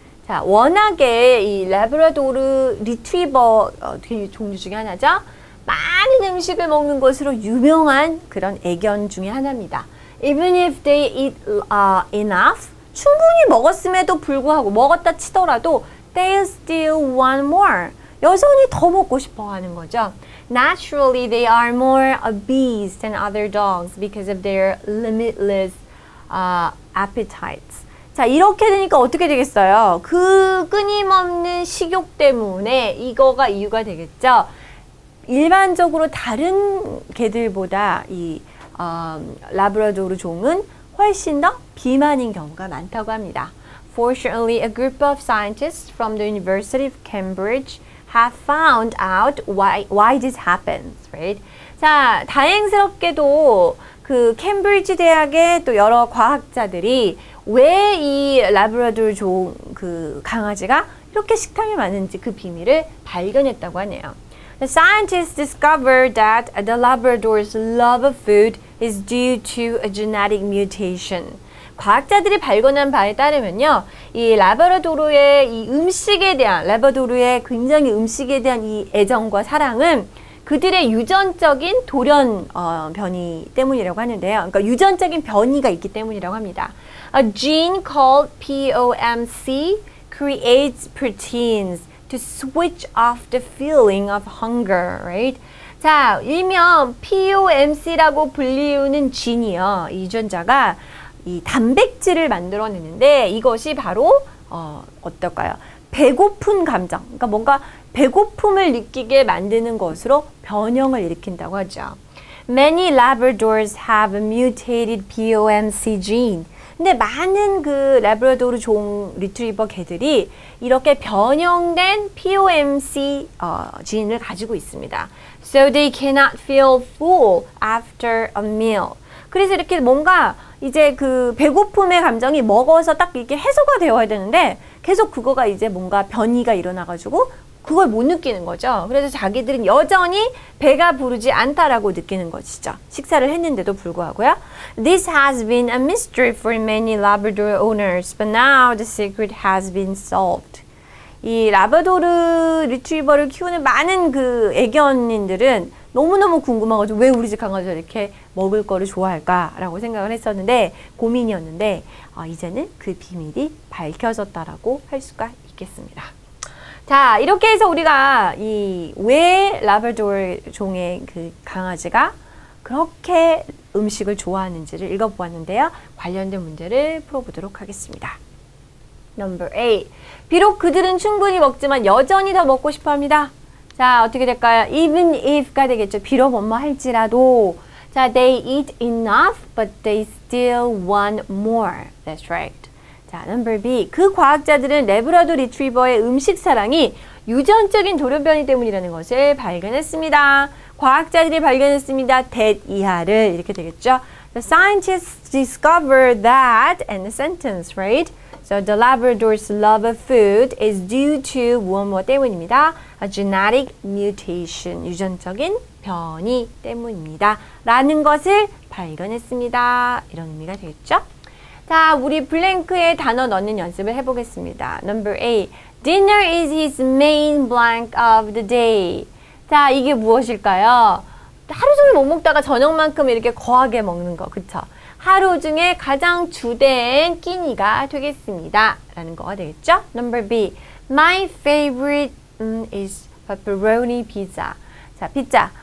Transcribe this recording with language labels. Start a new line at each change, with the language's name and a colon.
Korean: 자, 워낙에 이 레브라도르 리트리버 종류 중에 하나죠. 많은 음식을 먹는 것으로 유명한 그런 애견 중에 하나입니다.
English: Even if they eat enough,
Korean: 충분히 먹었음에도 불구하고 먹었다 치더라도
English: they still want more.
Korean: 여전히 더 먹고 싶어 하는 거죠.
English: Naturally, they are more obese than other dogs because of their limitless appetites.
Korean: 자, 이렇게 되니까 어떻게 되겠어요? 그 끊임없는 식욕 때문에 이거가 이유가 되겠죠. 일반적으로 다른 개들보다 이 라브라도르 종은 훨씬 더 비만인 경우가 많다고 합니다.
English: Fortunately, a group of scientists from the University of Cambridge have found out why this happens, right?
Korean: 자, 다행스럽게도 그 캠브리지 대학의 또 여러 과학자들이 왜 이 라브라도르 종 그 강아지가 이렇게 식탐이 많은지 그 비밀을 발견했다고 하네요.
English: The scientists discovered that the Labrador's love of food is due to a genetic mutation.
Korean: 과학자들이 발견한 바에 따르면요, 이 라브라도르의 이 음식에 대한 라브라도르의 굉장히 음식에 대한 이 애정과 사랑은 그들의 유전적인 돌연 변이 때문이라고 하는데요. 그러니까 유전적인 변이가 있기 때문이라고 합니다.
English: A gene called POMC creates proteins to switch off the feeling of hunger, right?
Korean: 자, 일명 POMC라고 불리우는 진이요, 이 유전자가 이 단백질을 만들어내는데 이것이 바로 어떨까요? 배고픈 감정, 그러니까 뭔가 배고픔을 느끼게 만드는 것으로 변형을 일으킨다고 하죠.
English: Many Labradors have a mutated POMC gene.
Korean: 근데 많은 그 라브라도르 종 리트리버 개들이 이렇게 변형된 POMC 진을 가지고 있습니다.
English: So they cannot feel full after a meal.
Korean: 그래서 이렇게 뭔가 이제 그 배고픔의 감정이 먹어서 딱 이렇게 해소가 되어야 되는데 계속 그거가 이제 뭔가 변이가 일어나가지고 그걸 못 느끼는 거죠. 그래서 자기들은 여전히 배가 부르지 않다라고 느끼는 것이죠. 식사를 했는데도 불구하고요.
English: This has been a mystery for many Labrador owners, but now the secret has been solved.
Korean: 이 라브라도르 리트리버를 키우는 많은 그 애견인들은 너무너무 궁금하고 왜 우리 집 강아지가 이렇게 먹을 거를 좋아할까라고 생각을 했었는데 고민이었는데 이제는 그 비밀이 밝혀졌다라고 할 수가 있겠습니다. 자, 이렇게 해서 우리가 이 왜 라브라도르 종의 그 강아지가 그렇게 음식을 좋아하는지를 읽어보았는데요. 관련된 문제를 풀어보도록 하겠습니다.
English: Number 8.
Korean: 비록 그들은 충분히 먹지만 여전히 더 먹고 싶어 합니다. 자, 어떻게 될까요?
English: Even if
Korean: 가 되겠죠. 비록 뭐뭐 할지라도.
English: 자, they eat enough, but they still want more. That's right. 자, number B.
Korean: 그 과학자들은 레브라도 리트리버의 음식 사랑이 유전적인 돌연변이 때문이라는 것을 발견했습니다. 과학자들이 발견했습니다. That 이하를 이렇게 되겠죠.
English: The scientists discovered that in the sentence, right? So the Labrador's love of food is due to
Korean: 무엇무엇 때문입니다.
English: A genetic mutation,
Korean: 유전적인 변이 때문입니다. 라는 것을 발견했습니다. 이런 의미가 되겠죠? 자, 우리 블랭크에 단어 넣는 연습을 해보겠습니다.
English: Number 8. Dinner is his main blank of the day.
Korean: 자, 이게 무엇일까요? 하루 종일 못 먹다가 저녁만큼 이렇게 거하게 먹는 거, 그쵸? 하루 중에 가장 주된 끼니가 되겠습니다. 라는 거가 되겠죠?
English: Number B. My favorite is pepperoni pizza. 자, 피자.